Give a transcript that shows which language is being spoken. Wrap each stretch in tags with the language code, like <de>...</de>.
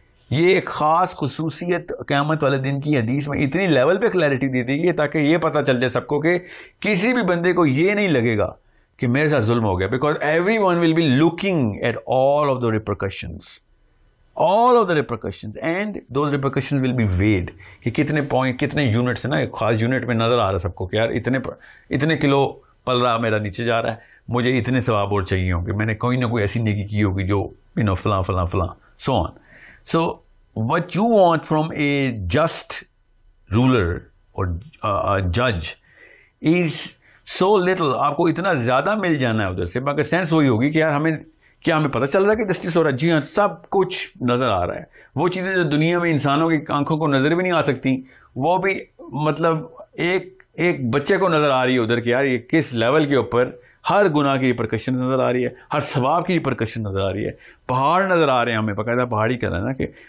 <hi>ये एक ख़ास खसूसियत क़यामत वाले दिन की हदीस में इतनी लेवल पे क्लैरिटी दी गई है ताकि ये पता चल जाए सबको कि किसी भी बंदे को ये नहीं लगेगा कि मेरे साथ जुल्म हो गया,</hi> <en>because every one will be looking at all of the repercussions, all of the repercussions, and those repercussions will be weighed</en> <hi>कि कितने पॉइंट, कितने यूनिट्स है ना, एक खास यूनिट में नज़र आ रहा सबको कि यार इतने इतने किलो पल रहा मेरा नीचे जा रहा है, मुझे इतने सवाब और चाहिए होंगे, मैंने कोई ना कोई ऐसी नेकी की होगी जो यू नो फलां फलां फलां so on.</hi> <en>So what you want from a just ruler or a judge is so little.</en> <hi>आपको इतना ज़्यादा मिल जाना है उधर से, मगर सेंस वही होगी कि यार हमें क्या, हमें पता चल रहा है कि जस्टिस हो रहा है, जी हाँ सब कुछ नज़र आ रहा है, वो चीज़ें जो दुनिया में इंसानों की आंखों को नज़र भी नहीं आ सकती, वो भी मतलब एक एक बच्चे को नज़र आ रही है उधर कि यार ये किस लेवल के ऊपर हर गुनाह की रिपरकशन नज़र आ रही है, हर सवाब की रिपरकशन नज़र आ रही है, पहाड़ नज़र आ रहे हैं हमें, बकायदा पहाड़ी कह रहा है ना कि</hi>